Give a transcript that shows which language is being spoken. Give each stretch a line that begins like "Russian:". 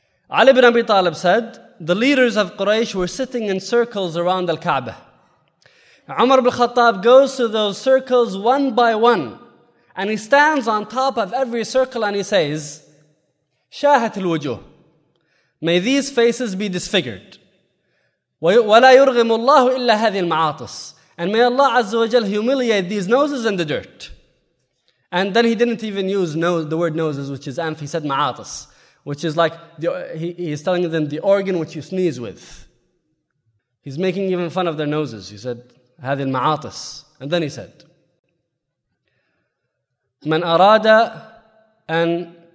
English: Ali ibn Abi Talib said, the leaders of Quraysh were sitting in circles around Al-Kaaba. Umar ibn Khattab goes to those circles one by one. And he stands on top of every circle and he says,
Arabic: شاهت الوجوه.
English: May these faces be disfigured.
Arabic: ولا يرغم الله إلا هذه المعاطس.
English: And may Allah Azza wa Jal humiliate these noses in the dirt. And then he didn't even use the word noses, which is anf. He said ma'atis, which is like, he's telling them the organ which you sneeze with. He's making even fun of their noses. He said,
Arabic: هذه المعاطس.
English: And then he said,
Arabic: من أراد أن